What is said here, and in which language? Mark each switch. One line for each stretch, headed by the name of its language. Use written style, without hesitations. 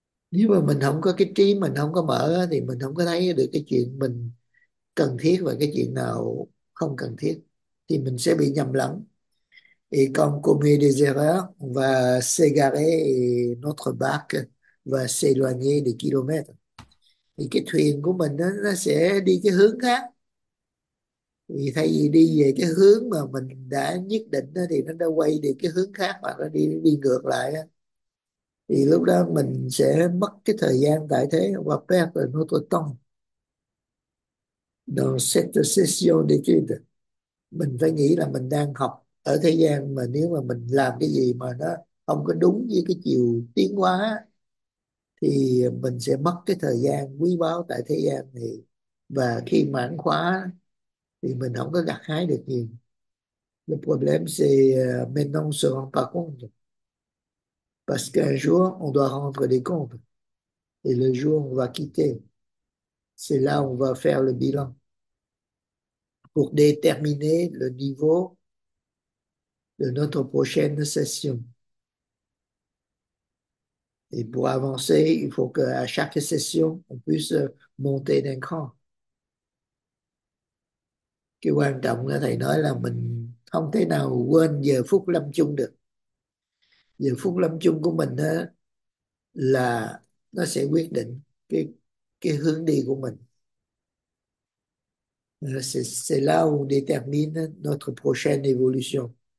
Vietnamese: Nếu mà mình không có cái trí mình không có mở thì mình không có thấy được cái chuyện mình cần thiết và cái chuyện nào không cần thiết, thì mình sẽ bị nhầm lẫn.
French: Et comme commet des erreurs, on va s'égarer notre barque va s'éloigner des kilomètres.
Vietnamese: Thì cái thuyền của mình nó sẽ đi cái hướng khác. Thì thay vì đi về cái hướng mà mình đã nhất định thì nó đã quay đi cái hướng khác mà nó đi đi ngược lại. Thì lúc đó mình sẽ mất cái thời gian tại thế và
French: perdre notre temps dans cette session d'études.
Vietnamese: Mình phải nghĩ là mình đang học ở thế gian, mà nếu mà mình làm cái gì mà nó không có đúng với cái chiều tiến hóa thì mình sẽ mất cái thời gian quý báu tại thế gian này, và khi mãn khóa thì mình không có gặt hái được gì.
French: Le problème c'est maintenant on se rend pas compte. Parce qu'un jour, on doit rendre des comptes. Et le jour où on va quitter, c'est là où on va faire le bilan pour déterminer le niveau de notre prochaine session. Et pour avancer, il faut qu'à chaque session, on puisse monter d'un cran.
Vietnamese: Cái quan trọng là thầy nói là mình không thể nào quên giờ phút lâm chung được. Giờ phút lâm chung của mình đó là nó sẽ quyết định cái hướng đi của mình.
French: C'est là où on détermine notre prochaine évolution.